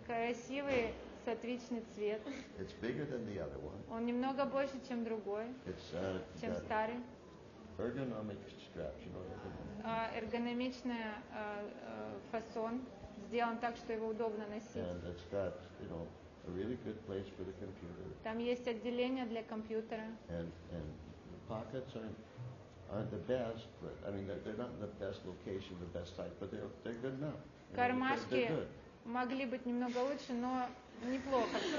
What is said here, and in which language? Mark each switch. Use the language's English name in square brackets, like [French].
[Russian] Красивый сатвичный цвет. [English] It's bigger than the other one. [Russian] Он немного больше, чем другой, [English] it's, [Russian] чем старый. [English] Ergonomic strap, you know, [Russian] эргономичный фасон, сделан так, что его удобно носить. [English] And it's got, you know, a really good place for the computer. [Russian] Там есть отделение для компьютера. [English] And the pockets aren't the best, but I mean they're not in the best location, the best type, but they're good enough. [Russian] Кармашки могли быть немного лучше, но неплохо.